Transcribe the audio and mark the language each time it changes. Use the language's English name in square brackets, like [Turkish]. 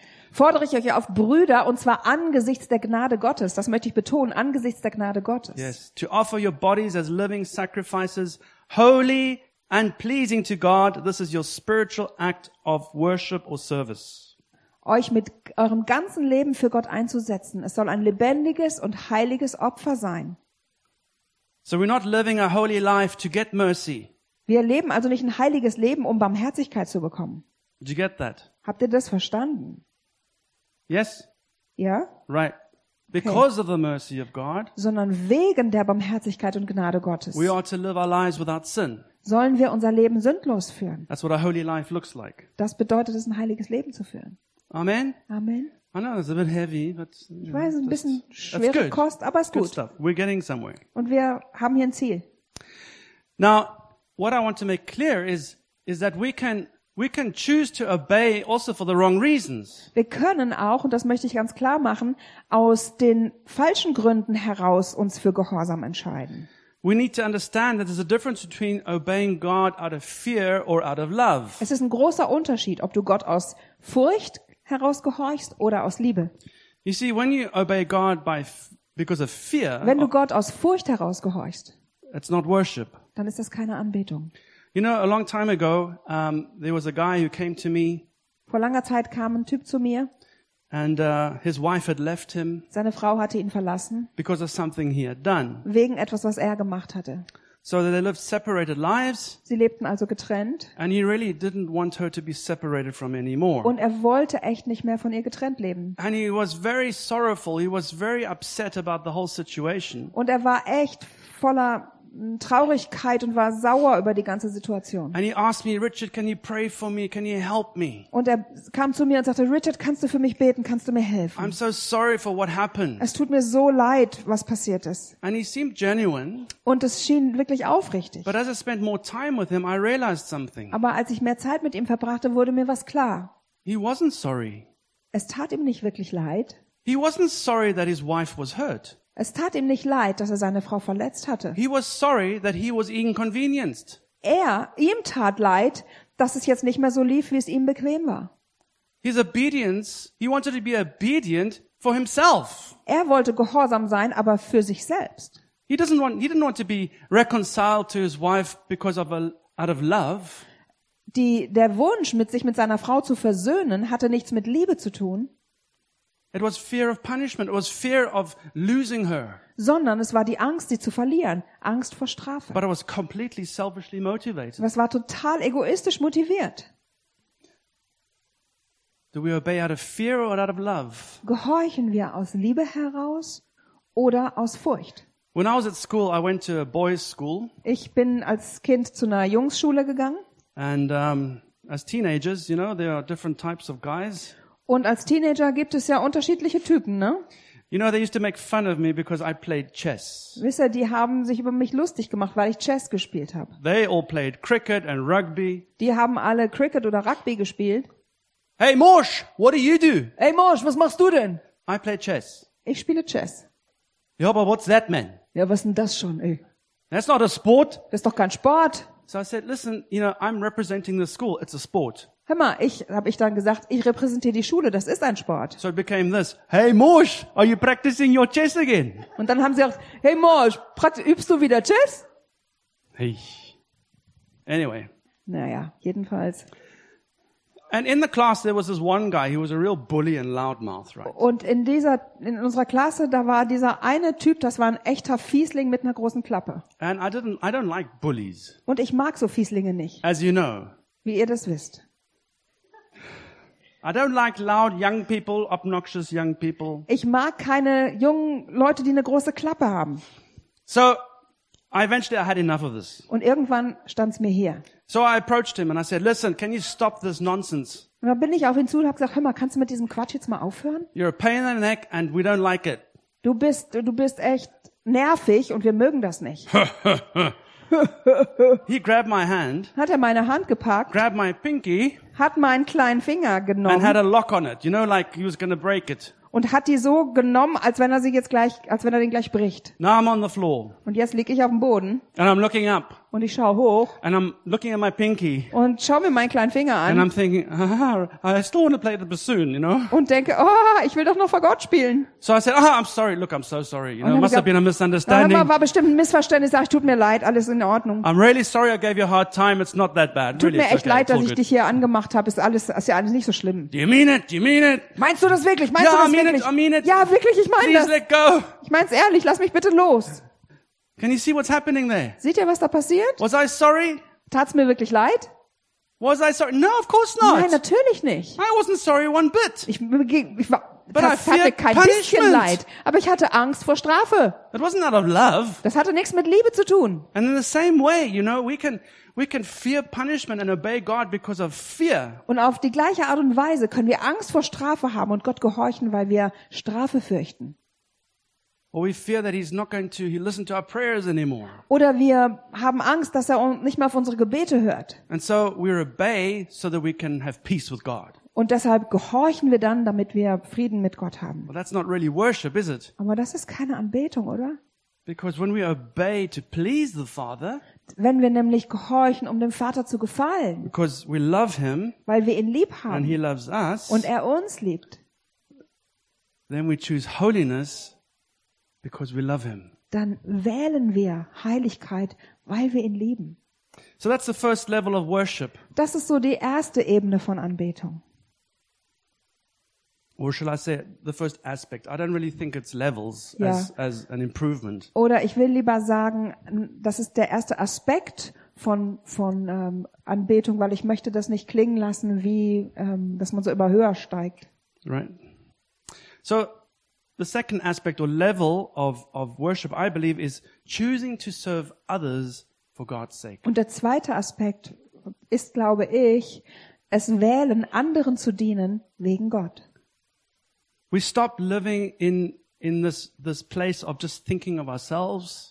[German] Fordere ich euch auf, Brüder, und zwar angesichts der Gnade Gottes. Das möchte ich betonen, angesichts der Gnade Gottes. [English] Yes, to offer your bodies as living sacrifices, holy and pleasing to God. This is your spiritual act of worship or service. [German] Euch mit eurem ganzen Leben für Gott einzusetzen. Es soll ein lebendiges und heiliges Opfer sein. [English] So we're not living a holy life to get mercy. [German] Wir leben also nicht ein heiliges Leben, um Barmherzigkeit zu bekommen. [English] Did you get that? [German] Habt ihr das verstanden? [English] Yes. [German] Ja. [English] Right. Because okay. of the mercy of God. [German] Sondern wegen der Barmherzigkeit und Gnade Gottes. [English] We ought to live our lives without sin. [German] Sollen wir unser Leben sündlos führen? [English] That's what a holy life looks like. [German] Das bedeutet es, ein heiliges Leben zu führen. [English] Amen. [German] Amen. [English] I know it's a bit heavy, but [German] ich weiß, es ist ein bisschen schwere Kost, aber es ist [English] good stuff. We're getting somewhere. [German] Und wir haben hier ein Ziel. [English] Now, what I want to make clear is that we can choose to obey also for the wrong reasons. [German] Wir können auch, und das möchte ich ganz klar machen, aus den falschen Gründen heraus uns für Gehorsam entscheiden. [English] We need to understand that there's a difference between obeying God out of fear or out of love. [German] Es ist ein großer Unterschied, ob du Gott aus Furcht heraus gehorchst oder aus Liebe. [English] You see, when you obey God because of fear, [German] wenn du Gott aus Furcht heraus gehorchst, [English] it's not worship. [German] Dann ist das keine Anbetung. [English] You know, a long time ago, there was a guy who came to me. [German] Vor langer Zeit kam ein Typ zu mir. [English] And his wife had left him. [German] Seine Frau hatte ihn verlassen. [English] Because of something he had done. [German] Wegen etwas, was er gemacht hatte. [English] So they lived separated lives. [German] Sie lebten also getrennt. [English] And he really didn't want her to be separated from anymore. [German] Und er wollte echt nicht mehr von ihr getrennt leben. [English] And he was very sorrowful. He was very upset about the whole situation. [German] Und er war echt voller Traurigkeit und war sauer über die ganze Situation. [English] And he asked me, Richard, can you pray for me? Can you help me? [German] Und er kam zu mir und sagte, Richard, kannst du für mich beten? Kannst du mir helfen? [English] I'm so sorry for what happened. [German] Es tut mir so leid, was passiert ist. [English] And he seemed genuine. [German] Und es schien wirklich aufrichtig. [English] But as I spent more time with him, I realized something. [German] Aber als ich mehr Zeit mit ihm verbrachte, wurde mir was klar. [English] He wasn't sorry. [German] Es tat ihm nicht wirklich leid. [English] He wasn't sorry that his wife was hurt. [German] Es tat ihm nicht leid, dass er seine Frau verletzt hatte. [English] He was sorry that he was inconvenienced. [German] Ihm tat leid, dass es jetzt nicht mehr so lief, wie es ihm bequem war. [English] His obedience, he wanted to be obedient for himself. [German] Er wollte gehorsam sein, aber für sich selbst. [English] He didn't want to be reconciled to his wife because of out of love. [German] Der Wunsch, mit seiner Frau zu versöhnen, hatte nichts mit Liebe zu tun. [English] It was fear of punishment. It was fear of losing her. [German] Sondern es war die Angst, sie zu verlieren, Angst vor Strafe. [English] But it was completely selfishly motivated. [German] Was war total egoistisch motiviert? [English] Do we obey out of fear or out of love? [German] Gehorchen wir aus Liebe heraus oder aus Furcht? [English] When I was at school, I went to a boys' school. [German] Ich bin als Kind zu einer Jungsschule gegangen. [English] And as teenagers, you know, there are different types of guys. [German] Und als Teenager gibt es ja unterschiedliche Typen, ne? [English] You know, they used to make fun of me because I played chess. [German] Wisst ihr, die haben sich über mich lustig gemacht, weil ich Chess gespielt habe. [English] They all played cricket and rugby. [German] Die haben alle Cricket oder Rugby gespielt. [English] Hey Mosch, what do you do? [German] Hey Mosch, was machst du denn? [English] I play chess. [German] Ich spiele Chess. [English] Yeah, but what's that, man? [German] Ja, was denn das schon, ey? [English] That's not a sport. [German] Das ist doch kein Sport. [English] So I said, listen, you know, I'm representing the school. It's a sport. [German] Hör mal, habe ich dann gesagt, ich repräsentiere die Schule, das ist ein Sport. [English] So it became this. Hey Mosch, are you practicing your chess again? [German] Und dann haben sie gesagt, hey Mosch, übst du wieder Chess? [English] Hey. Anyway. [German] Naja, jedenfalls. [English] And in the class there was this one guy, he was a real bully and loudmouth, right? [German] Und in unserer Klasse, da war dieser eine Typ, das war ein echter Fiesling mit einer großen Klappe. [English] And I don't like bullies. [German] Und ich mag so Fieslinge nicht. [English] As you know. [German] Wie ihr das wisst. [English] I don't like loud young people, obnoxious young people. [German] Ich mag keine jungen Leute, die eine große Klappe haben. [English] So I eventually had enough of this. [German] Und irgendwann stand's mir her. [English] So I approached him and I said, "Listen, can you stop this nonsense?" [German] Und dann bin ich auf ihn zu und habe gesagt, "Hör mal, kannst du mit diesem Quatsch jetzt mal aufhören?" [English] You're a pain in the neck and we don't like it. [German] Du bist echt nervig und wir mögen das nicht. [English] He grabbed my hand. [German] Hat meine Hand gepackt. [English] Grabbed my pinky. [German] Hat meinen kleinen Finger genommen. [English] And had a lock on it, you know, like he was going to break it. [German] Und hat die so genommen, als wenn er den gleich bricht. [English] Now I'm on the floor. [German] Und jetzt liege ich auf dem Boden. [English] And I'm looking up. [German] Und ich schaue hoch. [English] And I'm looking at my pinky. [German] Und schaue mir meinen kleinen Finger an. [English] And I'm thinking, I still want to play the bassoon, you know? [German] Und denke, ich will doch noch vor Gott spielen. [English] So I said, I'm sorry. Look, I'm so sorry. You know, it must have been a misunderstanding. [German] War bestimmt ein Missverständnis. Sag, tut mir leid, alles in Ordnung. [English] I'm really sorry, I gave you a hard time. It's not that bad. [German] Tut [English] really, [German] mir echt okay, leid, dass ich dich hier angemacht habe. Ist ja alles nicht so schlimm. [English] Do you mean it? Do you mean it? [German] Meinst du das wirklich? Meinst du das wirklich? [English] Yeah, I mean it. [German] Ja, wirklich, ich meine das. [English] Please let go. [German] Ich mein's ehrlich. Lass mich bitte los. [English] Can you see what's happening there? [German] Seht ihr, was da passiert? [English] Was I sorry? [German] Tat's mir wirklich leid? [English] Was I sorry? No, of course not. [German] Nein, natürlich nicht. [English] I wasn't sorry one bit. [German] Hatte kein punishment. Bisschen leid, aber ich hatte Angst vor Strafe. [English] It wasn't out of love. [German] Das hatte nichts mit Liebe zu tun. [English] And in the same way, you know, we can fear punishment and obey God because of fear. [German] Und auf die gleiche Art und Weise können wir Angst vor Strafe haben und Gott gehorchen, weil wir Strafe fürchten. [English] Or we fear that he's not going to listen to our prayers anymore. [German] Oder wir haben Angst, dass er nicht mehr auf unsere Gebete hört. [English] And so we obey so that we can have peace with God. [German] Und deshalb gehorchen wir dann, damit wir Frieden mit Gott haben. [English] Well, that's not really worship, is it? [German] Aber das ist keine Anbetung, oder? [English] Because when we obey to please the Father, [German] wenn wir nämlich gehorchen, um dem Vater zu gefallen, [English] because we love him, [German] weil wir ihn lieb haben, [English] and he loves us, [German] und er uns liebt, [English] then we choose holiness. Because we love him. [German] Dann wählen wir Heiligkeit, weil wir ihn lieben. [English] So that's the first level of worship. [German] Das ist so die erste Ebene von Anbetung. [English] Or shall I say the first aspect? I don't really think it's levels as an improvement. [German] Oder ich will lieber sagen, das ist der erste Aspekt von Anbetung, weil ich möchte das nicht klingen lassen, wie dass man so immer höher steigt. [English] Right. So the second aspect or level of worship, I believe, is choosing to serve others for God's sake. [German] Und der zweite Aspekt ist, glaube ich, es wählen, anderen zu dienen wegen Gott. [English] We stop living in this place of just thinking of ourselves.